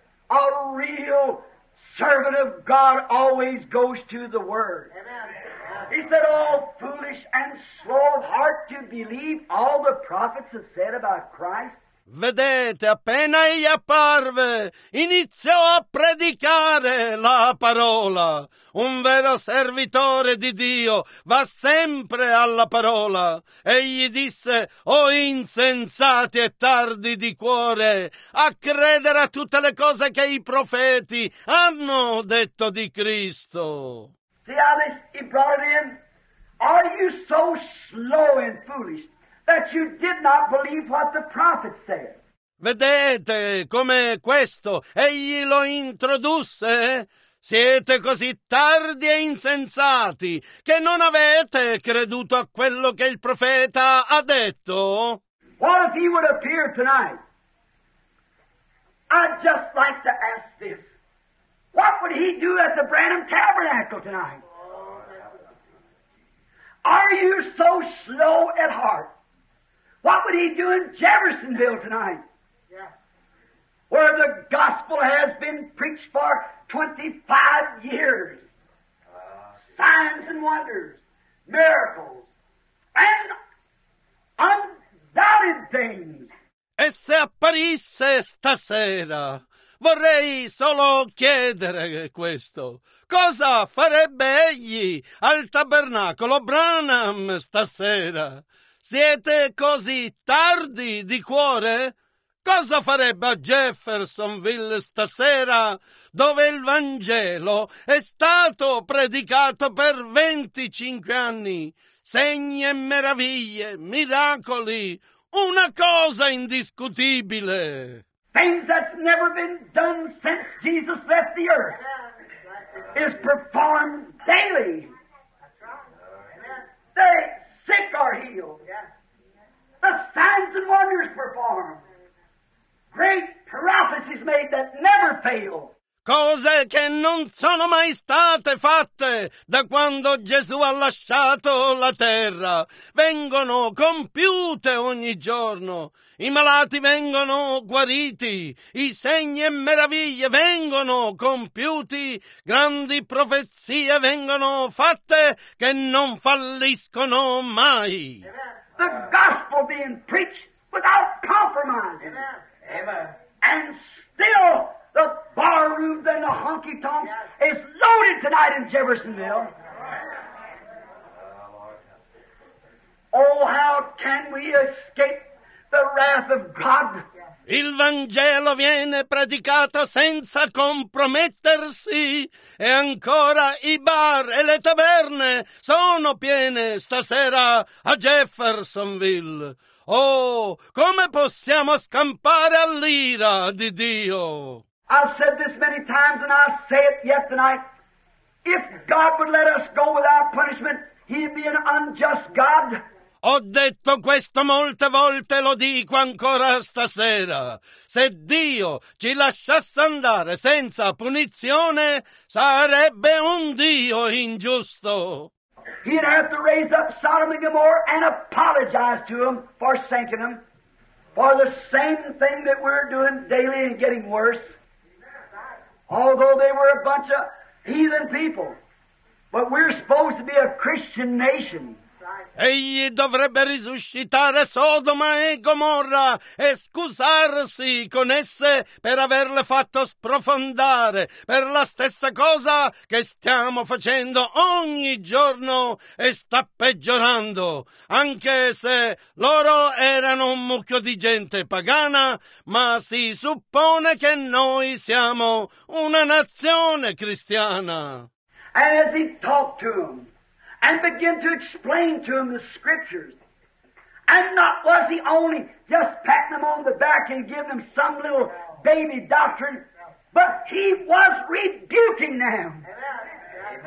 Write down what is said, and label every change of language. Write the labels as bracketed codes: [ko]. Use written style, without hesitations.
[en] A real servant of God always goes to the word. He said, all foolish and slow of heart to believe all the prophets have said about Christ. [it] Vedete, appena egli apparve, iniziò a predicare la parola. Un vero servitore di Dio va sempre alla parola. Egli disse, o insensati e tardi di cuore, a credere a tutte le cose che i profeti hanno detto di Cristo. [en] See how this he brought it in? Are you so slow and foolish that you did not believe what the prophet said? [it] Vedete come questo egli lo introdusse? Siete così tardi e insensati che non avete creduto a quello che il profeta ha detto? [en] What if he would appear tonight? I'd just like to ask this. What would he do at the Branham Tabernacle tonight? Are you so slow at heart? What would he do in Jeffersonville tonight? Yeah. Where the gospel has been preached for 25 years. Signs and wonders, miracles, and undoubted things. [it] E se apparisse stasera, vorrei solo chiedere questo. Cosa farebbe egli al tabernacolo Branham stasera? Siete così tardi di cuore? Cosa farebbe a Jeffersonville stasera, dove il Vangelo è stato predicato per 25 anni? Segni e meraviglie, miracoli, una cosa indiscutibile. [en] Things that's never been done since Jesus left the earth is performed daily. The sick are healed. The signs and wonders performed. Great prophecies made that never fail. [it] Cose che non sono mai state fatte da quando Gesù ha lasciato la terra vengono compiute ogni giorno. I malati vengono guariti, i segni e meraviglie vengono compiuti, grandi profezie vengono fatte che non falliscono mai. [en] Amen. The gospel being preached without compromise. Amen. And still the bar room and the honky tonks is loaded tonight in Jeffersonville. Oh, how can we escape the wrath of God? [it] Il Vangelo viene predicato senza compromettersi, e ancora i bar e le taverne sono piene stasera a Jeffersonville. Oh, come possiamo scampare all'ira di Dio? [en] I've said this many times, and I'll say it yet tonight. If God would let us go without punishment, he'd be an unjust God. [it] Ho detto questo molte volte, lo dico ancora stasera. Se Dio ci lasciasse andare senza punizione, sarebbe un Dio ingiusto. [en] He'd have to raise up Sodom and Gomorrah and apologize to them for sinking them, for the same thing that we're doing daily and getting worse. Although they were a bunch of heathen people, but we're supposed to be a Christian nation. [it] Egli dovrebbe risuscitare Sodoma e Gomorra e scusarsi con esse per averle fatto sprofondare per la stessa cosa che stiamo facendo ogni giorno e sta peggiorando. Anche se loro erano un mucchio di gente pagana, ma si suppone che noi siamo una nazione cristiana. [en] As he talked to him and begin to explain to him the scriptures. And not was he only just patting them on the back and giving them some little baby doctrine. But he was rebuking them. Amen.